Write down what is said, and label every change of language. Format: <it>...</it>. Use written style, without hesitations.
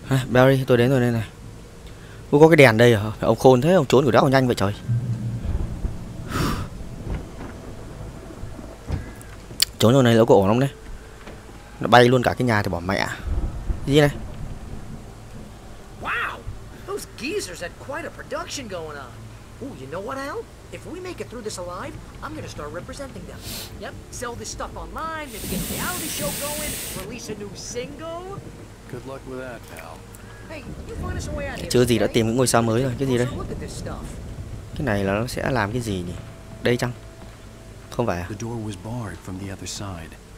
<vi>Barry, tôi đến rồi đây này. Ui, có cái đèn đây à? Ông khôn thế, ông trốn của đéo nhanh vậy trời. Trốn chỗ này lỡ có ổn không đấy? Nó bay luôn cả cái nhà thì bỏ mẹ. Gì này?</vi> <en>Wow, those geezers had quite a production going on. Ooh, you know what, Al? If we make it through this alive, I'm gonna start representing them. Yep, sell this stuff online, maybe get a reality show going, release a new single. Good luck with that, pal. Hey, you find us a way out of here.</en> <vi>Chưa gì đã tìm những ngôi sao mới rồi. Cái gì đây? Cái này là nó sẽ làm cái gì nhỉ? Đây chăng? Không phải à?</vi> <en>The door was barred from the other side.</en>